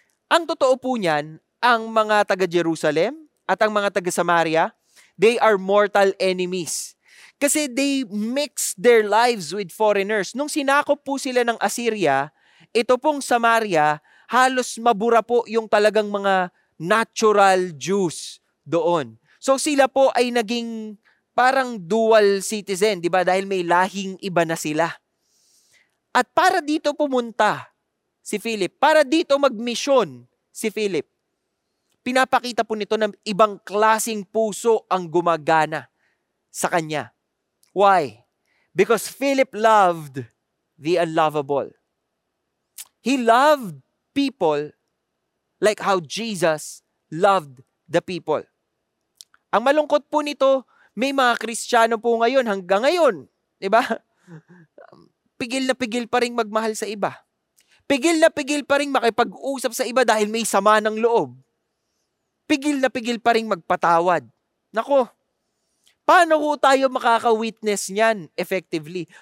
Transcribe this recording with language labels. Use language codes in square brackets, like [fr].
[tl] Ang totoo po niyan, ang mga taga-Jerusalem at ang mga taga-Samaria, [en] they are mortal enemies. [tl] Kasi [en] they mix their lives with foreigners. [tl] Nung sinakop po sila ng Assyria, ito pong Samaria, halos mabura po yung talagang mga natural Jews doon. So sila po ay naging parang dual citizen, di ba? Dahil may lahing iba na sila. At para dito pumunta si Philip, para dito magmisyon si Philip, pinapakita po nito na ibang klaseng puso ang gumagana sa kanya. [en] Why? Because Philip loved the unlovable. He loved people like how Jesus loved the people. [tl] Ang malungkot po nito, may mga Kristiyano po ngayon, hanggang ngayon, di ba? Pigil na pigil pa rin magmahal sa iba. Pigil na pigil pa rin makipag-usap sa iba dahil may sama ng loob. Pigil na pigil pa rin magpatawad. Nako, paano ko tayo makaka-witness niyan effectively?